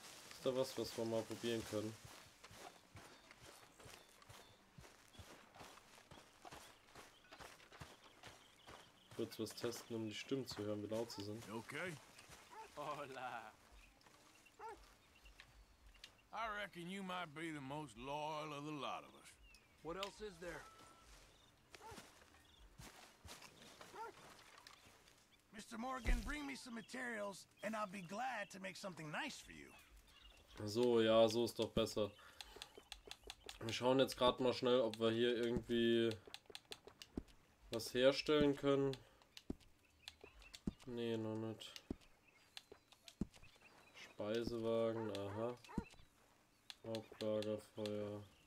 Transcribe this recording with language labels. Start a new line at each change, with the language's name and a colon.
German: Ist da was, was wir mal probieren können? Kurz was testen, um die Stimmen zu hören, wie laut sie sind. Okay.
Spanish: Hola.
English: I reckon you might be the most loyal of the lot of us. What else is there? Mr. Morgan, bring me some materials and I'll be glad to make something nice for you.
German: So, ja, so ist doch besser. Wir schauen jetzt gerade mal schnell, ob wir hier irgendwie was herstellen können. Nee, noch nicht. Speisewagen, aha. Hauptlagerfeuer.